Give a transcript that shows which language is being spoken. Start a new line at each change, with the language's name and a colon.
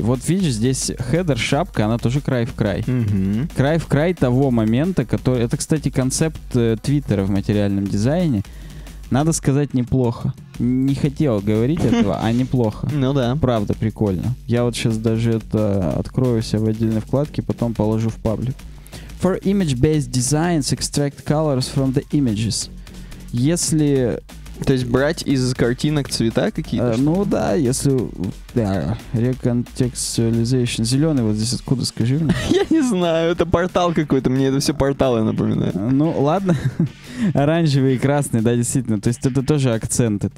Russian: Вот видишь, здесь хедер, шапка, она тоже край в край. Край в край того момента, который... Это, кстати, концепт Твиттера в материальном дизайне. Надо сказать, неплохо. Не хотел говорить этого, а неплохо. Ну да. Правда, прикольно. Я вот сейчас даже это открою себе в отдельной вкладке, потом положу в паблик.
English: For image-based designs, extract colors from the images.
Russian: Если... То есть брать из картинок цвета какие-то? Ну да, если... Да, recontextualization. Зеленый вот здесь откуда, скажи мне? Я не знаю, это портал какой-то, мне это все порталы напоминают. Ну ладно, оранжевый и красный, да, действительно, то есть это тоже акценты.